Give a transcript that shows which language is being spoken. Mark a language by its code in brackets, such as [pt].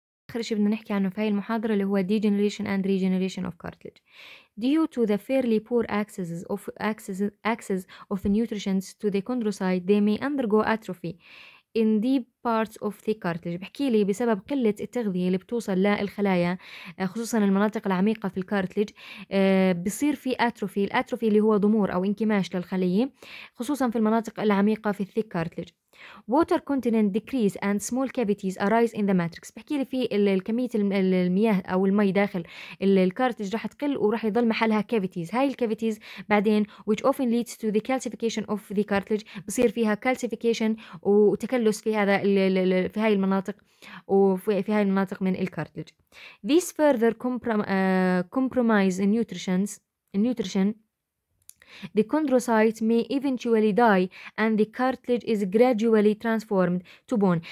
[ar] آخر شيء بدنا نحكي عنه في هاي المحاضرة اللي هو [en] degeneration and regeneration of cartilage. Due to the fairly poor access of nutrients to the chondrocyte, they may undergo atrophy in deep parts of the cartilage. [ar] بحكي لي بسبب قلة التغذية اللي بتوصل للخلايا خصوصا المناطق العميقة في الكارتليج بصير في atrophy. الاتروفي اللي هو ضمور أو انكماش للخلية خصوصا في المناطق العميقة في الثيك كارتليج. [en] Water content decrease and small cavities arise in the matrix. [ar] بحكي لي في الكمية المياه أو المي داخل الكارتج راح تقل وراح يضل محلها cavities. هاي الكافيتيز بعدين [en] which often leads to the calcification of the cartilage. [ar] بصير فيها calcification وتكلس في هذا في هاي المناطق وفي هاي المناطق من الكارتج. [en] These further compromise nutrition. The chondrocyte may eventually die and the cartilage is gradually transformed to bone.